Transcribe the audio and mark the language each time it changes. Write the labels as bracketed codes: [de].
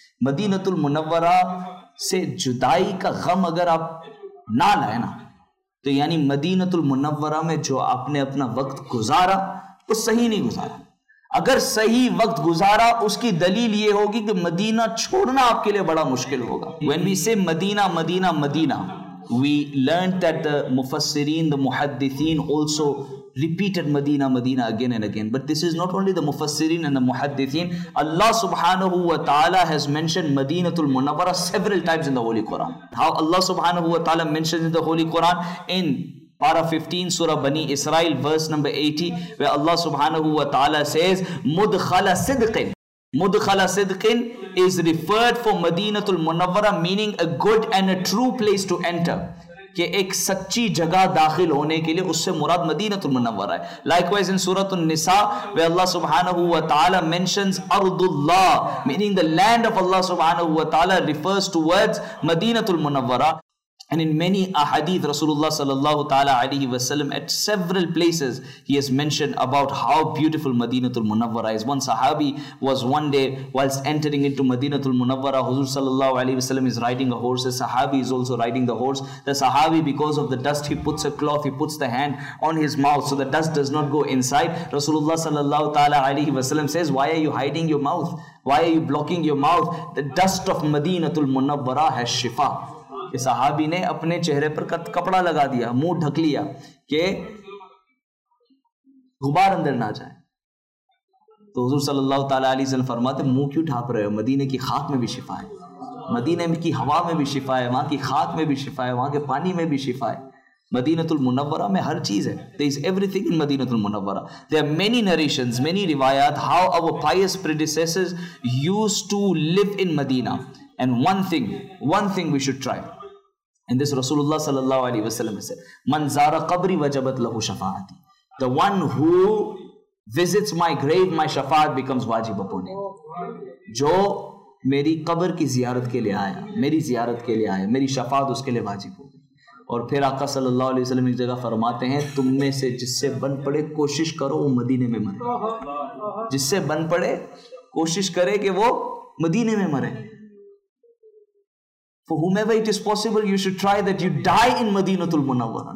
[ur] مدینہ المنورہ سے جدائی کا غم اگر آپ نہ لائیں نا، تو یعنی مدینہ المنورہ میں جو آپ نے اپنا وقت گزارا وہ صحیح نہیں گزارا. اگر صحیح وقت گزارا اس کی دلیل یہ ہوگی کہ مدینہ چھوڑنا آپ کے لیے بڑا مشکل ہوگا. [en] When we say Madinah Madinah Madinah, we learned that the مفسرین the محدثین also repeated Madinah Madinah again and again. But this is not only the مفسرین and the محدثین. Allah سبحانہ وتعالی has mentioned Madinah المنورہ several times in the Holy Quran. How Allah سبحانہ وتعالی mentions in the Holy Quran in Para 15 Surah Bani Israel verse number 80, where Allah subhanahu wa ta'ala says Mudkhala Sidqin. Mudkhala Sidqin is referred for Madinatul Munawwara, meaning a good and a true place to enter. [ur] کہ ایک سچی جگہ داخل ہونے کے لئے اس سے مراد مدینہ المنورہ ہے. [en] Likewise in سورة النساء where Allah سبحانہ وتعالی mentions ارض اللہ meaning the land of Allah سبحانہ وتعالی refers towards مدینہ المنورہ. And in many ahadith, Rasulullah sallallahu ta'ala alayhi wa sallam, at several places, he has mentioned about how beautiful Madinatul Munawwara is. One sahabi was one day, whilst entering into Madinatul Munawwara, Huzur sallallahu alayhi wa sallam is riding a horse. The sahabi is also riding the horse. The sahabi, because of the dust, he puts a cloth, he puts the hand on his mouth, so the dust does not go inside. Rasulullah sallallahu ta'ala alayhi wa sallam says, why are you hiding your mouth? Why are you blocking your mouth? The dust of Madinatul Munawwara has shifa. [ur] صحابی نے اپنے چہرے پر کپڑا لگا دیا، منہ ڈھک لیا کہ غبار اندر نہ جائے. تو حضور صلی اللہ علیہ وسلم فرماتے ہیں منہ کیوں ڈھاپ رہے ہو، مدینہ کی خاک میں بھی شفا ہے، مدینہ کی ہوا میں بھی شفا ہے، وہاں کی خاک میں بھی شفا ہے، وہاں کے پانی میں بھی شفا ہے. مدینہ المنورہ میں ہر چیز ہے. [en] There is everything in Madinah المنورہ. There are many narrations, many روایات how our pious predecessors used to live in Madinah. And one thing we should try. And this Rasulullah sallallahu alaihi wasallam said, [ar] من زار قبری وجبت له شفاعتی. [en] The one who visits my grave, my shafaat becomes wajib upon him. [ur] جو میری قبر کی زیارت کے لیے آیا, میری زیارت کے لیے آیا, میری شفاعت اس کے لیے واجب ہو. اور پھر آقا صلی اللہ علیہ وسلم ایک جگہ فرماتے ہیں, تم میں سے جس سے بن پڑے کوشش کرو وہ مدینے میں مرے, جس سے بن پڑے کوشش کرے کہ وہ مدینے میں مرے. [en] For whomever it is possible, you should try that you die in Madinah المنورہ.